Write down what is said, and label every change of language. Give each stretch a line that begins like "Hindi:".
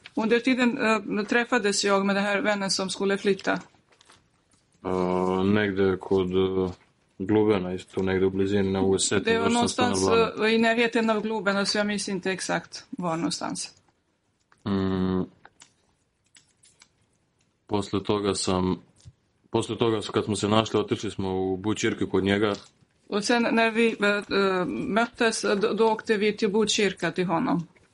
Swedish: Under tiden träffades jag med den här vännen som skulle flytta.
Serbian: Negde kod Globena, isto negde u blizini na USET.
Swedish: Det var någonstans i närheten av Globena, så jag minns inte exakt var någonstans.
Serbian: Posle toga kad smo se našli, otišli smo u Bućirku kod njega.
Swedish: Och sen när vi möttes, då åkte vi till Bućirka till honom.